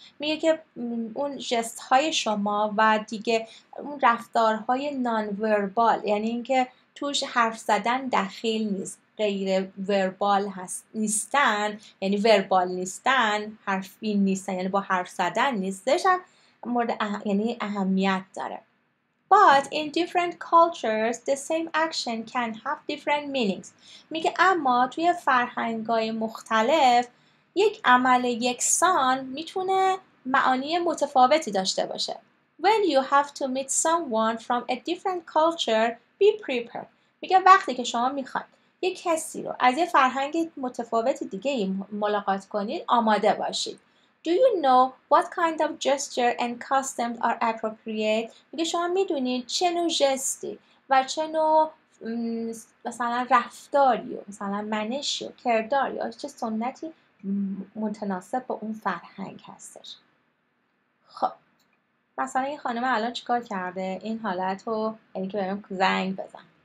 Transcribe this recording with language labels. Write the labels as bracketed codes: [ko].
[fa] میگه که اون جست های شما و دیگه اون رفتارهای non-verbal یعنی اینکه توش حرف زدن دخیل نیست. غیر وربال هست نیستن یعنی وربال نیستن حرفی نیستن یعنی با حرف زدن نیستش هم مورد یعنی اهمیت داره. [en] But in different cultures, the same action can have different meanings. [fa] میگه اما توی فرهنگ‌های مختلف یک عمل یکسان میتونه معانی متفاوتی داشته باشه. [en] When you have to meet someone from a different culture, be prepared. [fa] میگه وقتی که شما میخواید یک کسی رو از یه فرهنگ متفاوت دیگه ملاقات کنید آماده باشید. [en] Do you know what kind of gesture and customs are appropriate? [fa] میگه شما میدونید چه نوع ژستی و چه نوع مثلا رفتاری و مثلا منشی و کرداری و چه سنتی متناسب با اون فرهنگ هستش. خب مثلا این خانم الان چیکار کرده؟ این حالت رو یعنی که بریم زنگ بزن.